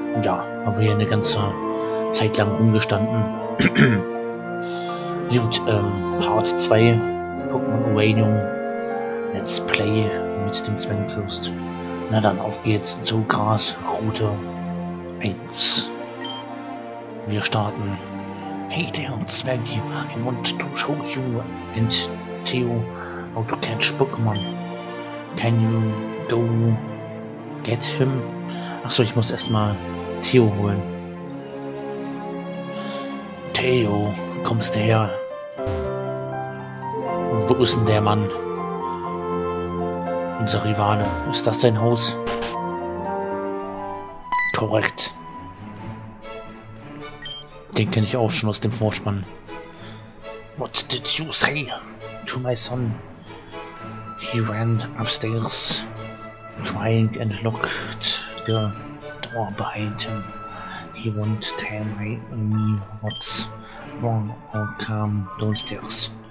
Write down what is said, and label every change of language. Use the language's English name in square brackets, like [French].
[German] Ja, habe hier eine ganze Zeit lang rumgestanden. Gut, Part 2, Pokémon Uranium, Let's Play mit dem Zwangfürst. Na dann, auf geht's zu Gras, Route 1. Wir starten. [English] Hey there, Zwangy, I want to show you and Theo how to catch Pokémon. Can you go get him? [German] Achso, ich muss erstmal Theo holen. Theo, kommst du her? Wo ist denn der Mann? Unser Rivale. Ist das sein Haus? Korrekt. Den kenne ich auch schon aus dem Vorspann. [English] What did you say to my son? He ran upstairs, crying and locked the door behind him. He won't tell me what's wrong or come downstairs.